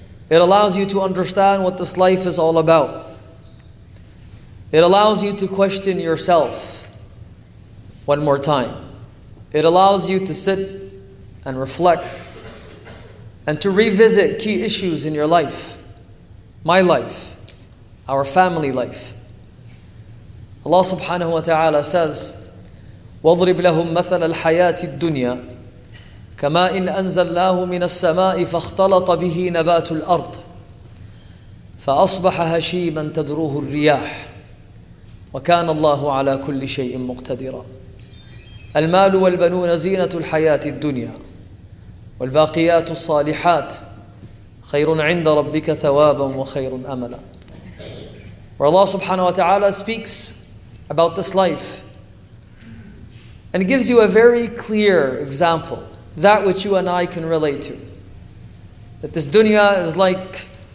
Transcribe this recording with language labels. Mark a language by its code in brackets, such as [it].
[en] It allows you to understand what this life is all about. It allows you to question yourself one more time. It allows you to sit and reflect and to revisit key issues in your life, my life, our family life. [ar] Allah subhanahu wa ta'ala says, وَاضْرِبْ لَهُمْ مَثَلَ الْحَيَاةِ الدُّنْيَا كَمَا إِنْ أَنْزَلْنَاهُ مِنَ السَّمَاءِ فَاخْتَلَطَ بِهِ نَبَاتُ الْأَرْضِ فَأَصْبَحَ هَشِيمًا تَدْرُوهُ الرِّيَاحِ وكان الله على كل شيء مقتدرا المال والبنون زينة الحياة الدنيا والباقيات الصالحات خير عند ربك ثوابا وخير أملا. [en] Where Allah subhanahu wa ta'ala speaks about this life and gives you a very clear example, that which you and I can relate to, that this dunya is like